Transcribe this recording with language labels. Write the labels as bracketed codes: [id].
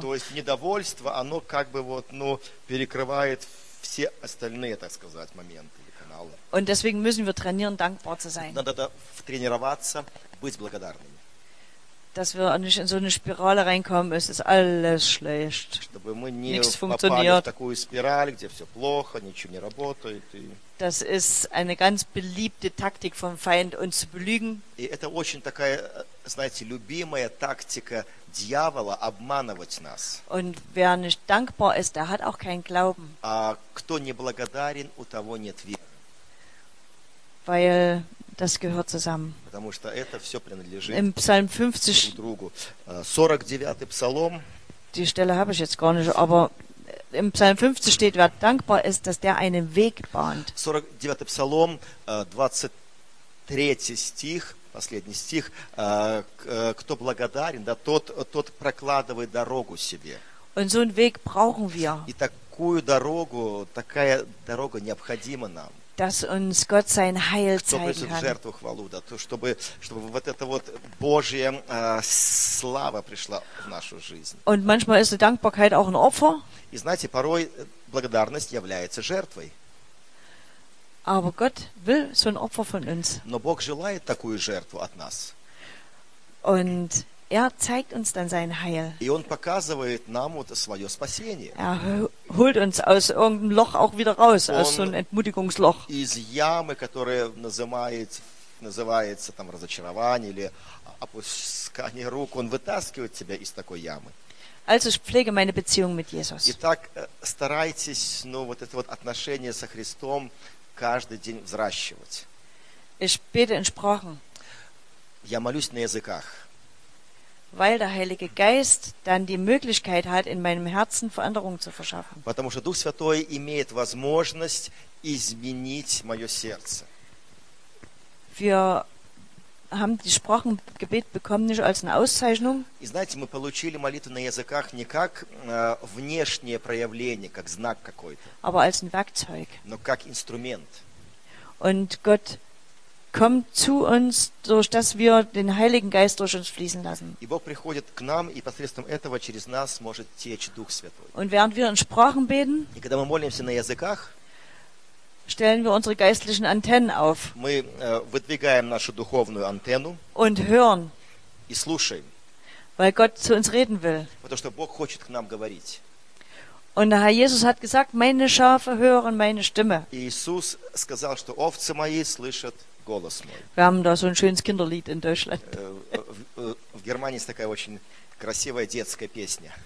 [ru] То есть недовольство, оно как бы вот, ну, перекрывает все остальные, так сказать, моменты или каналы. [de] Und deswegen müssen wir trainieren, dankbar zu sein. [ru] Надо тренироваться, быть благодарными. [de] Dass wir nicht in so eine Spirale reinkommen, es ist alles schlecht. [ru] Чтобы мы не попали в такую спираль, где все плохо, ничего не работает. [de] Das ist eine ganz beliebte Taktik vom Feind, uns zu belügen. [ru] И это очень такая, знаете, любимая тактика дьявола обманывать нас. [de] Und wer nicht dankbar ist, der hat auch keinen Glauben. [ru] А кто не благодарен, у того нет веры. [de] Weil das gehört zusammen. [ru] Потому что это все принадлежит [de] Im Psalm 50, [ru] друг другу. 49-й псалом. [de] Die Stelle habe ich jetzt gar nicht, aber im Psalm 50 steht, wer dankbar ist, dass der einen Weg bahnt. [ru] 49-й псалом, 23-й стих, последний стих. Кто благодарен, да, тот прокладывает дорогу себе. [de] Und so einen Weg brauchen wir. [ru] И такую дорогу, такая дорога необходима нам. [de] Dass uns Gott sein Heil [ru] Кто [de] zeigen kann. [ru] Жертву хвалу, да, то, чтобы вот эта вот Божья слава пришла в нашу жизнь. [de] Und manchmal ist die Dankbarkeit auch ein Opfer. [ru] И знаете, порой благодарность является жертвой. [de] Aber Gott will so ein Opfer von uns. [ru] Но Бог желает такую жертву от нас. [de] Und er zeigt uns dann sein Heil. [ru] И Он показывает нам вот свое спасение. [de] Holt uns aus irgendeinem Loch auch wieder raus, aus so einem Entmutigungsloch. [ru] Из ямы, которая называется там разочарование или опускание рук, Он вытаскивает тебя из такой ямы. [de] Also ich pflege meine Beziehung mit Jesus. [ru] Итак, старайтесь, ну, вот это вот отношение со Христом каждый день взращивать. [de] Ich bete in Sprachen. [ru] Я молюсь на языках. [de] Weil der Heilige Geist dann die Möglichkeit hat, in meinem Herzen Veränderungen zu verschaffen. [ru] Потому что Дух Святой имеет возможность изменить мое сердце. [de] Wir haben die Sprachengebet bekommen nicht als eine Auszeichnung. [ru] И знаете, мы получили молитву на языках не как внешнее проявление, как знак какой-то. [de] Aber als ein Werkzeug. [ru] Но как инструмент. [de] Und Gott kommt zu uns, durch das wir den Heiligen Geist durch uns fließen lassen. [ru] И Бог приходит к нам, и посредством этого через нас может течь Дух Святой. [de] Und während wir in Sprachen beten, [ru] и когда мы молимся на языках, [de] stellen wir unsere geistlichen Antennen auf. [ru] Мы выдвигаем нашу духовную антенну. [de] Und hören. [ru] И слушаем. [de] Weil Gott zu uns reden will. [ru] Потому что Бог хочет к нам говорить. [de] Und der Herr Jesus hat gesagt, meine Schafe hören meine Stimme. [ru] И Иисус сказал, что овцы мои слышат голос мой. [de] Wir haben da so ein schönes Kinderlied in Deutschland. [ru] В Германии есть такая очень красивая детская песня.